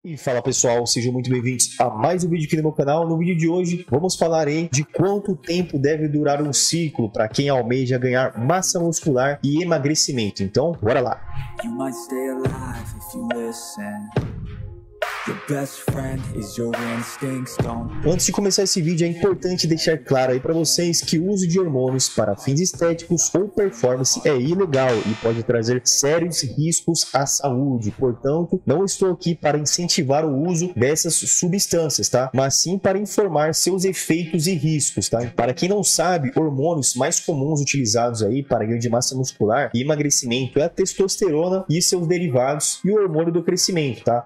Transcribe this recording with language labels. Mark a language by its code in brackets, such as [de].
[pt] E fala pessoal, sejam muito bem-vindos a mais um vídeo aqui no meu canal. No vídeo de hoje vamos falar aí de quanto tempo deve durar um ciclo para quem almeja ganhar massa muscular e emagrecimento. Então, bora lá! [en] You might stay alive if you listen. Your best friend is your instincts, don't... [pt] Antes de começar esse vídeo, é importante deixar claro aí pra vocês que o uso de hormônios para fins estéticos ou performance é ilegal e pode trazer sérios riscos à saúde. Portanto, não estou aqui para incentivar o uso dessas substâncias, tá? Mas sim para informar seus efeitos e riscos, tá? Para quem não sabe, hormônios mais comuns utilizados aí para ganho de massa muscular e emagrecimento é a testosterona e seus derivados e o hormônio do crescimento, tá?